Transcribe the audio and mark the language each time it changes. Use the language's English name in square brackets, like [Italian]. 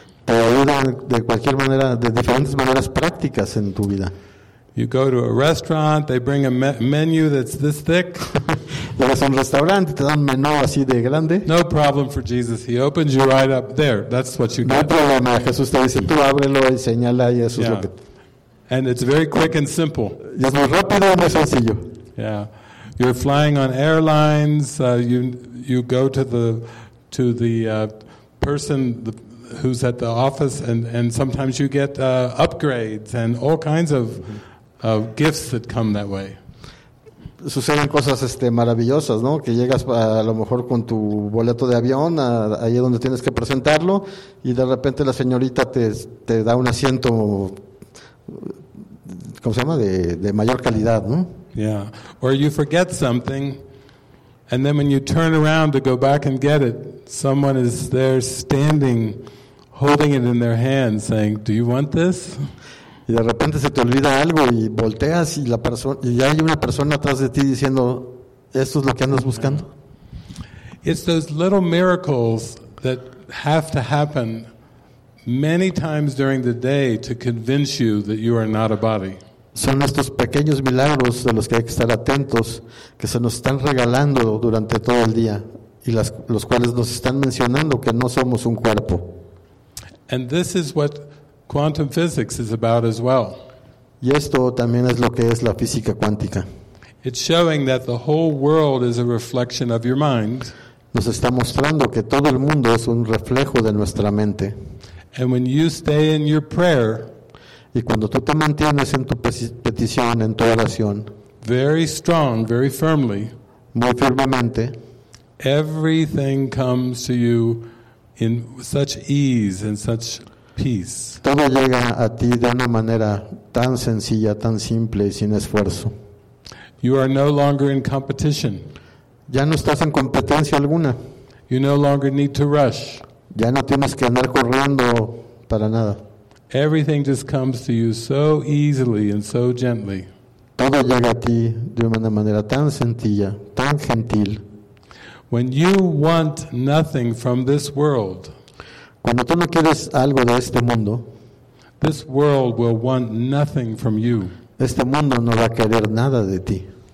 [Spanish] Te ayuda de cualquier manera, de diferentes maneras prácticas en tu vida. [English] You go to a restaurant, they bring a menu that's this thick. [Spanish] Llegas a un restaurante, te dan menú así de grande. [English] No problem for Jesus. He opens you right up there. That's what you get. [Spanish] No problema. Jesús te dice, tú ábrelo y señala y eso es lo que... [English] And it's very quick and simple. [Spanish] Y es muy rápido y muy sencillo. [English] Yeah. You're flying on airlines. You go to the person who's at the office and sometimes you get upgrades and all kinds of gifts that come that way. [Spanish] suceden cosas maravillosas, ¿no? Que llegas a lo mejor con tu boleto de avión, ahí donde tienes que presentarlo, y de repente la señorita te da un asiento, ¿cómo se llama? De mayor calidad, ¿no? Yeah. [English] Or you forget something, and then when you turn around to go back and get it, someone is there standing, holding it in their hand, saying, "Do you want this?" [Spanish] Y de repente se te olvida algo y volteas y la persona y hay una persona atrás de ti diciendo, "¿Esto es lo que andas buscando?" [English] It's those little miracles that have to happen many times during the day to convince you that you are not a body. [Spanish] Son estos pequeños milagros de los que hay que estar atentos que se nos están regalando durante todo el día y los cuales nos están mencionando que no somos un cuerpo. [English] And this is what quantum physics is about as well. [Spanish] Y esto también es lo que es la física cuántica. [English] It's showing that the whole world is a reflection of your mind. [Spanish] Nos está mostrando que todo el mundo es un reflejo de nuestra mente. [English] And when you stay in your prayer, [Spanish] y cuando tú te mantienes en tu petición, en tu oración, [English] very strong, very firmly, [Spanish] muy firmemente, [English] everything comes to you in such ease and such peace. [Spanish] Todo llega a ti de una manera tan sencilla, tan simple y sin esfuerzo. [English] You are no longer in competition. [Spanish] Ya no estás en competencia alguna. [English] You no longer need to rush. [Spanish] Ya no tienes que andar corriendo para nada. [English] Everything just comes to you so easily and so gently. [Spanish] Todo llega a ti de una manera tan sencilla, tan gentil. [English] When you want nothing from this world, [Spanish] cuando tú no quieres algo de este mundo, [English] this world will want nothing from you. [Spanish] Este mundo no va a querer nada de ti.